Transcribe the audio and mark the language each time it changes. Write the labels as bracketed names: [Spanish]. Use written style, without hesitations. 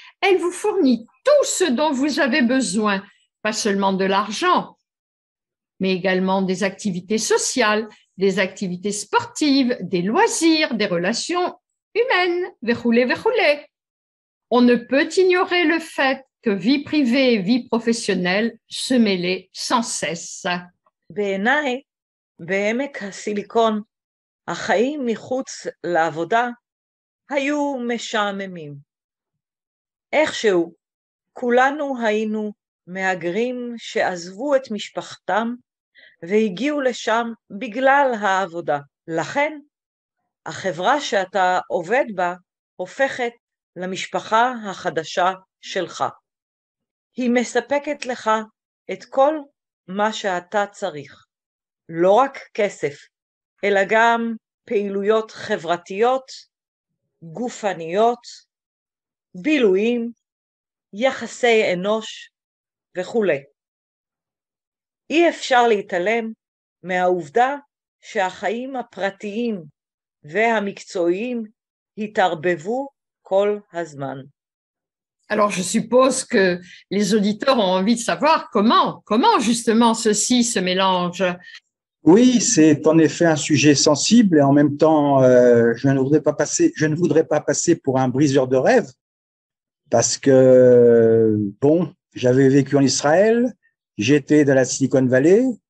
[French] Elle vous fournit tout ce dont vous avez besoin, pas seulement de l'argent, mais également des activités sociales, des activités sportives, des loisirs, des relations humaines, verroulé, verroulé. On ne peut ignorer le fait que vie privée et vie professionnelle se mêlaient sans cesse. [Hebrew] בעיניי, בעמק הסיליקון, החיים מחוץ לעבודה היו משעממים. איכשהו, כולנו היינו מהגרים שעזבו את משפחתם והגיעו לשם בגלל העבודה. לכן, החברה שאתה עובד בה הופכת למשפחה החדשה שלך. היא מספקת לך את כל מה שאתה צריך. לא רק כסף, אלא גם פעילויות חברתיות, גופניות, בילויים, יחסי אנוש וכו'. אי אפשר להתעלם מהעובדה שהחיים הפרטיים והמקצועיים התערבבו כל הזמן. [French] Alors, je suppose que les auditeurs ont envie de savoir comment justement ceci se mélange. Oui, c'est en effet un sujet sensible et en même temps, je ne voudrais pas passer pour un briseur de rêves parce que, bon, j'avais vécu en Israël, j'étais dans la Silicon Valley.